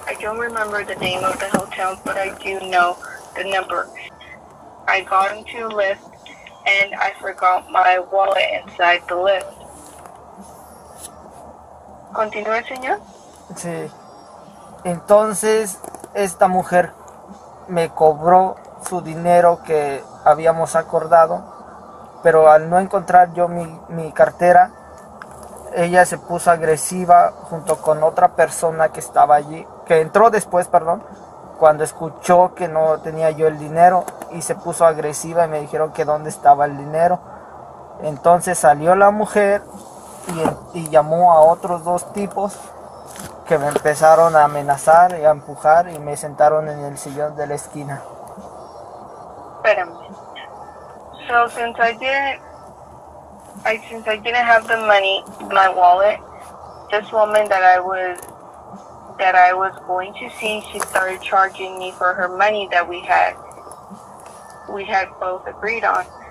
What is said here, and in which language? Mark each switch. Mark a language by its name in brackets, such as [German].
[English] I don't remember the name of the hotel, but I do know the number. I got into a lift, and I forgot my wallet inside the lift. [Spanish] ¿Continúa, señor? Sí. Entonces, esta mujer me cobró su dinero que habíamos acordado, pero al no encontrar yo mi cartera, ella se puso agresiva junto con otra persona que estaba allí, que entró después, perdón, cuando escuchó que no tenía yo el dinero y se puso agresiva y me dijeron que dónde estaba el dinero. Entonces salió la mujer y llamó a otros dos tipos que me empezaron a amenazar y a empujar y me sentaron en el sillón de la esquina. Espérame. [English] So, since I didn't have the money, my wallet, this woman that I was going to see, she started charging me for her money that we had both agreed on.